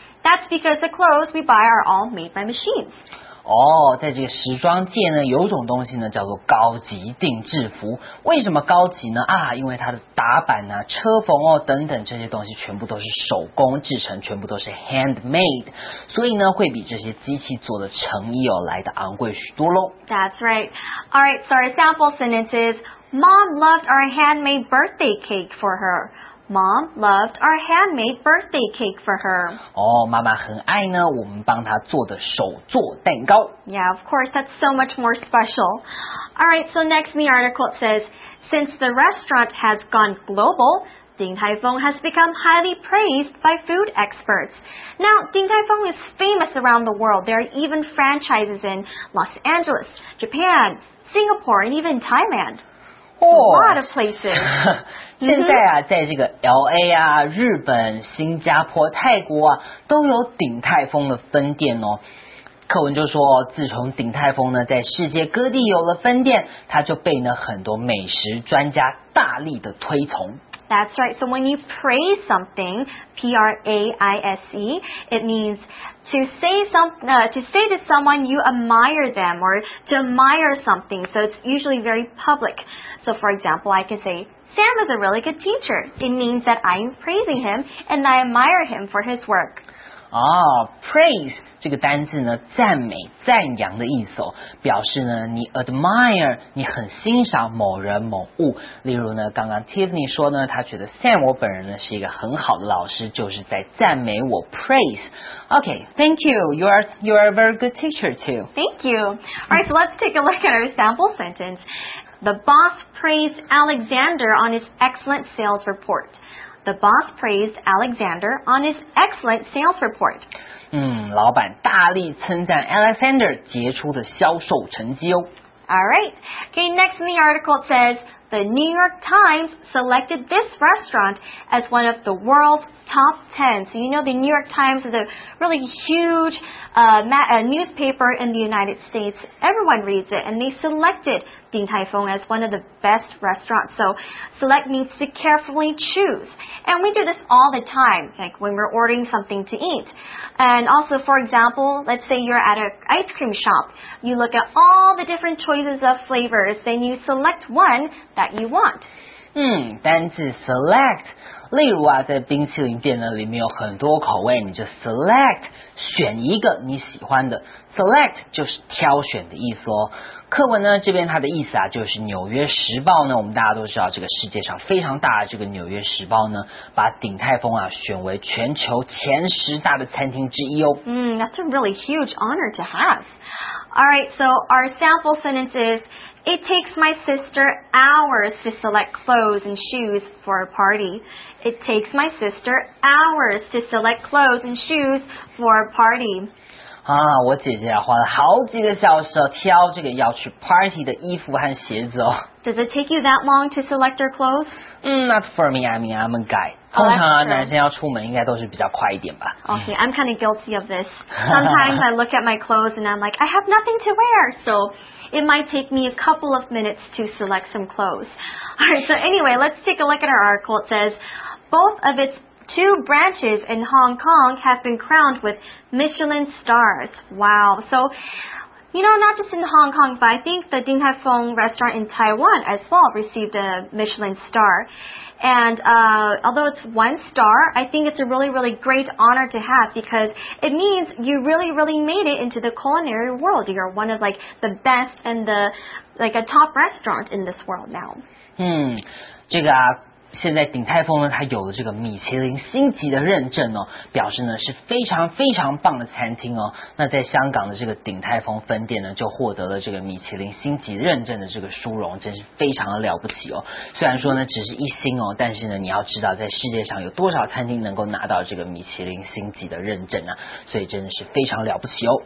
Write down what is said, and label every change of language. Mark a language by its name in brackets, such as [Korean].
[English] That's because the clothes we buy are all made by machines. [Chinese] 哦，在这个时装界呢，有种东西呢叫做高级定制服。为什么高级呢？啊，因为它的打版啊、车缝哦等等这些东西全部都是手工制成，全部都是 handmade， 所以呢会比这些机器做的成衣哦来的昂贵许多喽。 [English] That's right. All right. So our sample sentence is: Mom loved our handmade birthday cake for her. Mom loved our handmade birthday cake for her. [Chinese] 哦，妈妈很爱呢，我们帮她做的手做蛋糕。 [English] Yeah, of course, that's so much more special. All right, so next in the article it says, since the restaurant has gone global, Ding Tai Fung has become highly praised by food experts. Now, Ding Tai Fung is famous around the world. There are even franchises in Los Angeles, Japan, Singapore, and even Thailand. A lot of places. [Chinese] 现在啊，在这个 LA 啊、日本、新加坡、泰国啊，都有鼎泰丰的分店哦。课文就说，自从鼎泰丰呢在世界各地有了分店，它就被呢很多美食专家大力的推崇。 [English] That's right. So when you praise something, P-R-A-I-S-E, it means to say to someone you admire them or to admire something. So it's usually very public. So for example, I can say, Sam is a really good teacher. It means that I'm praising him and I admire him for his work. [Chinese] Oh, praise, 这个单字呢赞美赞扬的意思哦，表示呢你 admire, 你很欣赏某人某物。例如呢刚刚 Tiffany 说呢，他觉得 Sam 我本人呢是一个很好的老师，就是在赞美我 praise. [English] Okay, thank you. You are a very good teacher too. Thank you. Alright, so let's take a look at our sample sentence. The boss praised Alexander on his excellent sales report. The boss praised Alexander on his excellent sales report. [Chinese] 老板大力称赞 Alexander 杰出的销售成绩哦。 [English] All right. Okay, next in the article it says, The New York Times selected this restaurant as one of the world's top 10. So you know the New York Times is a really huge newspaper in the United States. Everyone reads it, and they selected Ding Tai Fung as one of the best restaurants. So select means to carefully choose. And we do this all the time, like when we're ordering something to eat. And also, for example, let's say you're at an ice cream shop. You look at all the different choices of flavors, then you select one that you want. [Chinese] 单字 select, 例如啊在冰淇淋店呢里面有很多口味，你就 select, 选一个你喜欢的。 Select 就是挑选的意思哦。课文呢这边它的意思啊就是纽约时报呢，我们大家都知道这个世界上非常大的这个纽约时报呢，把鼎泰丰啊选为全球前十大的餐厅之一哦。 [English] That's a really huge honor to have. Alright, so our sample sentence is,It takes my sister hours to select clothes and shoes for a party. It takes my sister hours to select clothes and shoes for a party. [Chinese] 啊，我姐姐花了好几个小时挑这个要去 party 的衣服和鞋子哦。 [English] Does it take you that long to select your clothes? Not for me. I mean, I'm a guy. [Chinese] 通常啊，男生要出门应该都是比较快一点吧。 [English] Okay, I'm kind of guilty of this. Sometimes I look at my clothes and I'm like, I have nothing to wear, so... It might take me a couple of minutes to select some clothes. All right, so anyway, let's take a look at our article. It says, both of its Two branches in Hong Kong have been crowned with Michelin stars. Wow. So, you know, not just in Hong Kong, but I think the Din Tai Fung restaurant in Taiwan as well received a Michelin star. And although it's one star, I think it's a really, really great honor to have because it means you really, really made it into the culinary world. You're one of, like, the best and the, like, a top restaurant in this world now. [Chinese] Hmm. 这个啊。现在鼎泰丰呢，它有了这个米其林星级的认证哦，表示呢是非常非常棒的餐厅哦。那在香港的这个鼎泰丰分店呢，就获得了这个米其林星级认证的这个殊荣，真是非常的了不起哦。虽然说呢只是一星哦，但是呢你要知道，在世界上有多少餐厅能够拿到这个米其林星级的认证啊，所以真的是非常了不起哦。